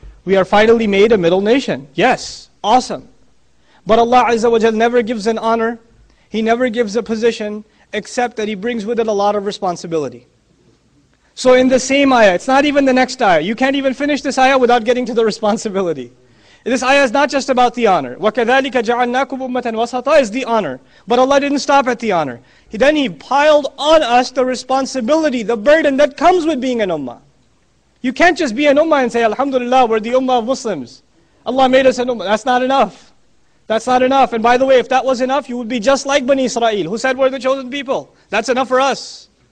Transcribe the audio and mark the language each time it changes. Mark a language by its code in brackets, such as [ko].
[en] We are finally made a middle nation. Yes, awesome. But Allah Azza wa Jal never gives an honor. He never gives a position, except that He brings with it a lot of responsibility. So in the same ayah, it's not even the next ayah. You can't even finish this ayah without getting to the responsibility. This ayah is not just about the honor. [ar] وَكَذَلِكَ جَعَلْنَاكُمْ أُمَّةً وَسَطًا [en] is the honor. But Allah didn't stop at the honor. Then He piled on us the responsibility, the burden that comes with being an ummah. You can't just be an ummah and say, Alhamdulillah, we're the ummah of Muslims. Allah made us an ummah. That's not enough. That's not enough. And by the way, if that was enough, you would be just like Bani Israel, who said we're the chosen people. That's enough for us.